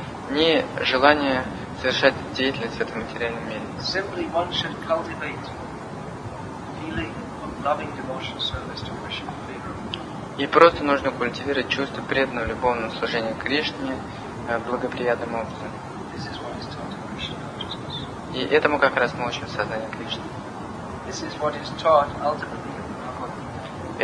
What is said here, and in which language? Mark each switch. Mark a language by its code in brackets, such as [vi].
[ru] Ни желания совершать деятельность в этом материальном мире. [en] Simply one should cultivate feeling of loving devotional service to Krishna. [ru] И просто нужно культивировать чувство преданного любовного служения Кришне благоприятным образом. [en] This is what is taught in Krishna consciousness. [ru] И этому как раз мы учим сознание Кришны. [en] This is what is taught ultimately in the Bhagavad Gita.